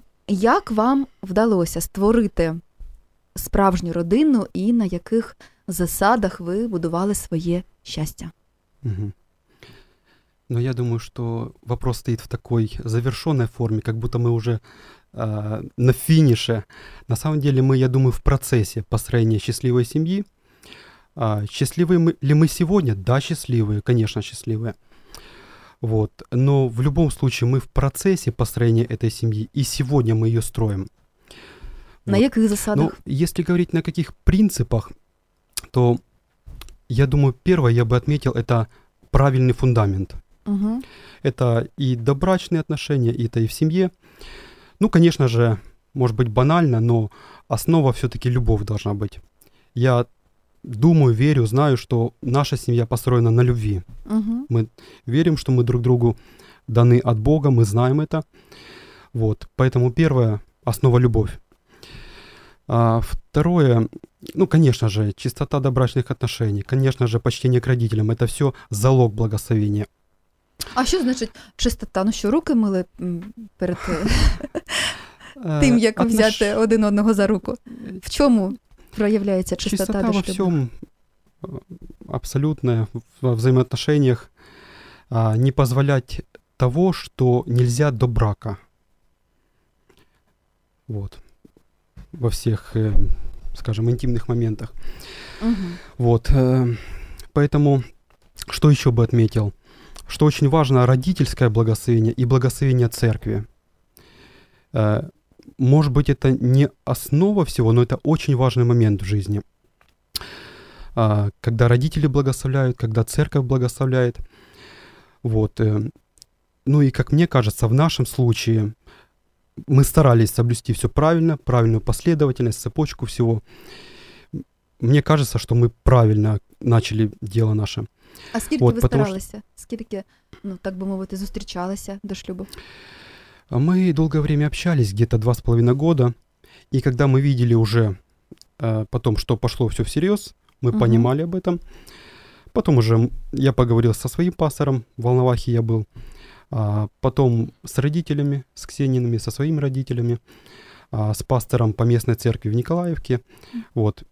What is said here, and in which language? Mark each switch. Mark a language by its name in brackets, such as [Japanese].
[Ukrainian] Як вам вдалося створити справжню родину і на яких засадах ви будували своє щастя? Угу. Ну, я думаю, що вопрос стоїть в такій завершеній формі, як будто ми вже на фініше. [Russian] На самом деле мы, я думаю, в процессе построения счастливой семьи. Счастливы ли мы сегодня? Да, счастливые, конечно, счастливые. Вот. Но в любом случае мы в процессе построения этой семьи, и сегодня мы ее строим. [Ukrainian] На вот. Яких засадах? [Russian] Ну, если говорить на каких принципах, то я думаю, первое я бы отметил, это правильный фундамент. Угу. Это и добрачные отношения, и это и в семье. Ну, конечно же, может быть банально, но основа все-таки любовь должна быть. Я думаю, верю, знаю, что наша семья построена на любви. Угу. Мы верим, что мы друг другу даны от Бога, мы знаем это. Вот, поэтому первое – основа – любовь. А второе, ну, конечно же, чистота добрачных отношений, конечно же, почтение к родителям – это все залог благословения. [Ukrainian] А що значить чистота? Ну що, руки мили перед тим, як взяти один одного за руку? В чому проявляється чистота до шлюбу? [Russian] Чистота во всьому абсолютно во взаємоотношеннях не позволять того, що нельзя до брака. [Ukrainian] Вот. Во всіх, скажем, інтимних моментах. Угу. Вот. [Russian] Поэтому, что еще бы отметил? Что очень важно родительское благословение и благословение церкви. Может быть, это не основа всего, но это очень важный момент в жизни. Когда родители благословляют, когда церковь благословляет. Вот. Ну и, как мне кажется, в нашем случае мы старались соблюсти все правильно, правильную последовательность, цепочку всего. Мне кажется, что мы правильно начали дело наше. [Ukrainian] А скільки вот, ви старалися? Что... Скільки, ну, так би мовити, зустрічалися до шлюбу? [Russian] Ми довго время общались, где-то 2.5 года. І коли ми видели уже потом, що пошло все всерьез, ми угу. понимали об этом. Потом уже я поговорил со своим пастором, в Волновахе я был. Потом с родителями, с Ксениными, со своими родителями, с пастором по местной церкви в Николаевке. Вот.